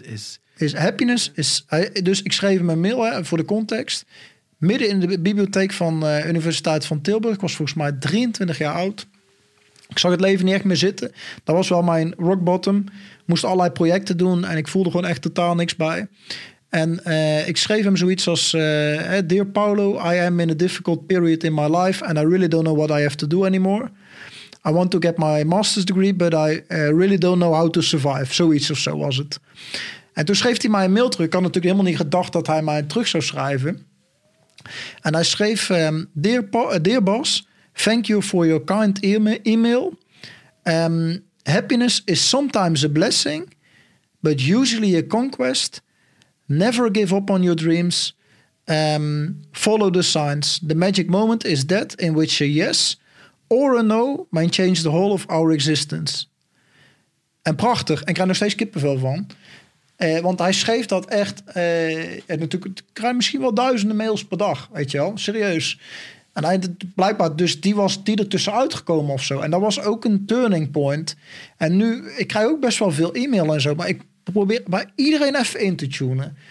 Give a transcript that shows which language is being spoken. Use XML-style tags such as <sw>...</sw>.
<en>is happiness is...</en> <nl>Dus ik schreef hem een mail, hè, voor de context. Midden in de bibliotheek van Universiteit van Tilburg. Ik was volgens mij 23 jaar oud. Ik zag het leven niet echt meer zitten. Dat was wel mijn rock bottom. Moest allerlei projecten doen en ik voelde gewoon echt totaal niks bij. En ik schreef hem zoiets als,</nl> <en>Dear Paulo, I am in a difficult period in my life and I really don't know what I have to do anymore. I want to get my master's degree, but I really don't know how to survive.</en> <nl>Zoiets of zo was het. En toen schreef hij mij een mail terug. Ik had natuurlijk helemaal niet gedacht dat hij mij terug zou schrijven. En hij schreef,</nl> <en>Dear Bas, thank you for your kind email. Happiness is sometimes a blessing, but usually a conquest. Never give up on your dreams. Follow the signs. The magic moment is that in which a yes or a no might change the whole of our existence.</en> <nl>En prachtig. En ik krijg nog steeds kippenvel van. Want hij schreef dat echt. En natuurlijk krijg je misschien wel 1000 mails per dag. Weet je wel? Serieus. En hij, blijkbaar, dus die was die er tussenuit gekomen of zo. En dat was ook een turning point. En nu, ik krijg ook best wel veel e-mail en zo, maar ik probeer bij iedereen even in te tunen.</nl>